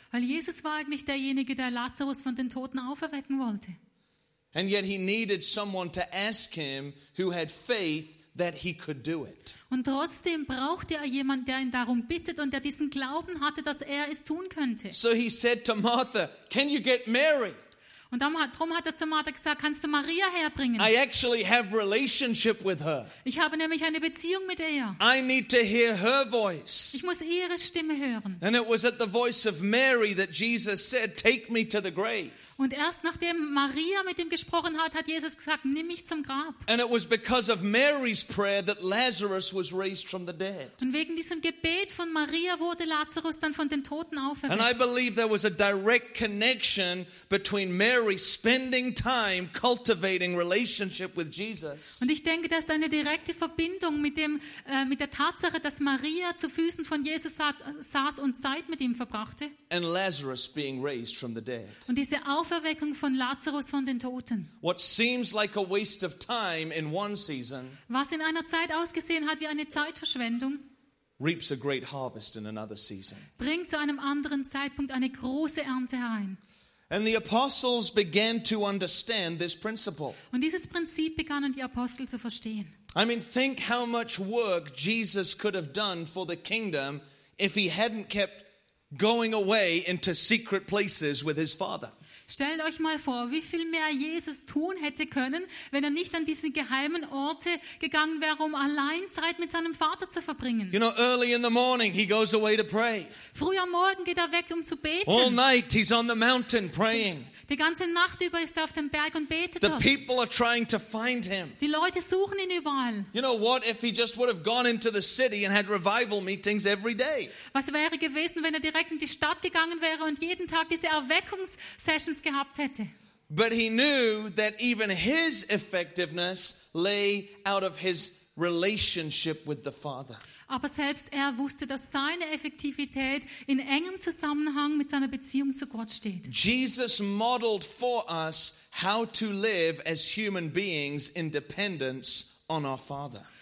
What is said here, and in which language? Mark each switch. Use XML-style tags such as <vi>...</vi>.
<de>Weil Jesus war eigentlich derjenige, der Lazarus von den Toten auferwecken wollte.</de> <en>And yet he needed someone to ask him who had faith that he could do it.</en> <de>Und trotzdem brauchte er jemanden, der ihn darum bittet und der diesen Glauben hatte, dass er es tun könnte.</de> <en>So he said to Martha, "Can you get Mary?"</en> <de>Und darum hat er zu Martha gesagt, kannst du Maria herbringen?</de> <en>I actually have relationship with her.</en> <de>Ich habe nämlich eine Beziehung mit ihr.</de> <en>I need to hear her voice.</en> <de>Ich muss ihre Stimme hören.</de> <en>And it was at the voice of Mary that Jesus said, take me to the grave.</en> <de>Und erst nachdem Maria mit ihm gesprochen hat, hat Jesus gesagt, nimm mich zum Grab.</de> <en>And it was because of Mary's prayer that Lazarus was raised from the dead.</en> <de>Und wegen diesem Gebet von Maria wurde Lazarus dann von den Toten auferweckt.</de> <en>And I believe there was a direct connection between Mary spending time cultivating relationship with Jesus.</en> <de>Und ich denke, dass eine direkte Verbindung mit dem mit der Tatsache, dass Maria zu Füßen von Jesus saß und Zeit mit ihm verbrachte.</de> <en>And Lazarus being raised from the dead.</en> <de>Und diese Auferweckung von Lazarus von den Toten.</de> <en>What seems like a waste of time in one season.</en> <de>Was in einer Zeit ausgesehen hat wie eine Zeitverschwendung.</de> <en>Reaps a great harvest in another season.</en> <de>Bringt zu einem anderen Zeitpunkt eine große Ernte herein.</de> <en>And the apostles began to understand this principle.</en> <de>Und dieses Prinzip begannen die Apostel zu verstehen.</de> <en>I mean, think how much work Jesus could have done for the kingdom if he hadn't kept going away into secret places with his father.</en> <de>Stellt euch mal vor, wie viel mehr Jesus tun hätte können, wenn er nicht an diese geheimen Orte gegangen wäre, um allein Zeit mit seinem Vater zu verbringen.</de> <en>You know, early in the morning he goes away to pray.</en> <de>Früh am Morgen geht er weg, um zu beten.</de> <en>All night he's on the mountain praying.</en> <de>Die ganze Nacht über ist er auf dem Berg und betet.</de> <en>The people are trying to find him.</en> <de>Die Leute suchen ihn überall.</de> <en>You know what if he just would have gone into the city and had revival meetings every day?</en> <de>Was wäre gewesen, wenn er direkt in die Stadt gegangen wäre und jeden Tag diese Erweckungssessions gehabt hätte?</de> <en>But he knew that even his effectiveness lay out of his relationship with the Father.</en> <de>Aber selbst er wusste, dass seine Effektivität in engem Zusammenhang mit seiner Beziehung zu Gott steht.</de> <en>Jesus modeled for us how to live as human beings in dependence on our Father.</en>